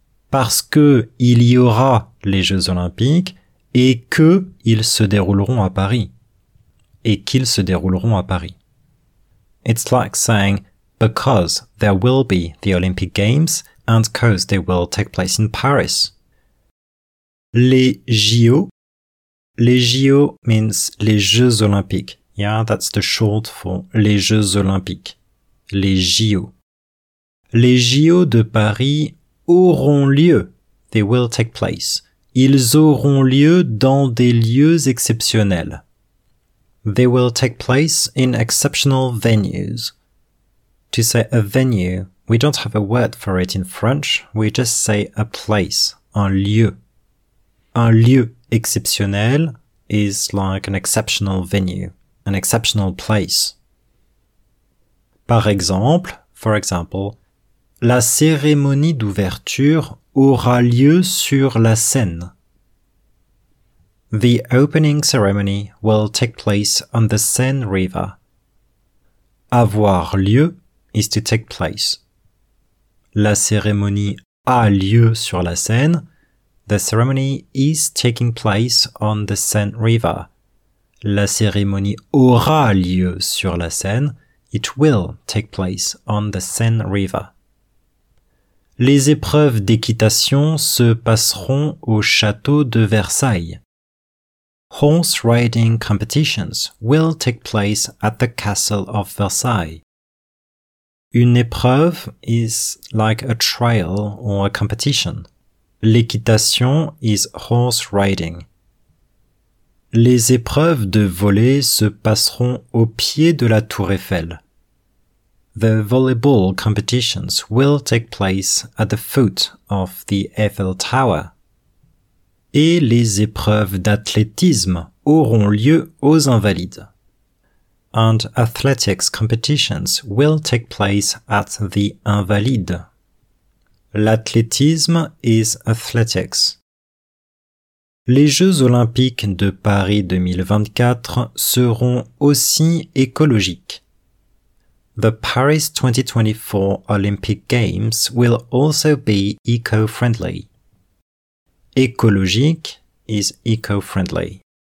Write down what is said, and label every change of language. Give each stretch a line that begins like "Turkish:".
French: Parce que il y aura les Jeux Olympiques et que ils se dérouleront à Paris. Et qu'ils se dérouleront à Paris.
English: It's like saying because there will be the Olympic Games and because they will take place in Paris.
French: Les JO.
English: Les JO means les Jeux Olympiques. Yeah, that's the short for les Jeux Olympiques. Les JO.
French: Les JO de Paris auront lieu.
English: They will take place.
French: Ils auront lieu dans des lieux exceptionnels.
English: They will take place in exceptional venues. To say a venue, we don't have a word for it in French. We just say a place, un lieu.
French: Un lieu exceptionnel
English: is like an exceptional venue, an exceptional place.
French: For example, la cérémonie d'ouverture aura lieu sur la scène.
English: The opening ceremony will take place on the Seine River. Avoir lieu is to take place.
French: La cérémonie a lieu sur la Seine.
English: The ceremony is taking place on the Seine River.
French: La cérémonie aura lieu sur la Seine.
English: It will take place on the Seine River.
French: Les épreuves d'équitation se passeront au château de Versailles.
English: Horse riding competitions will take place at the castle of Versailles. Une épreuve is like a trial or a competition. L'équitation is horse riding.
French: Les épreuves de volley se passeront au pied de la Tour Eiffel.
English: The volleyball competitions will take place at the foot of the Eiffel Tower.
French: Et les épreuves d'athlétisme auront lieu aux Invalides.
English: And athletics competitions will take place at the Invalides. L'athlétisme is athletics.
French: Les Jeux Olympiques de Paris 2024 seront aussi écologiques.
English: The Paris 2024 Olympic Games will also be eco-friendly. Écologique is eco-friendly.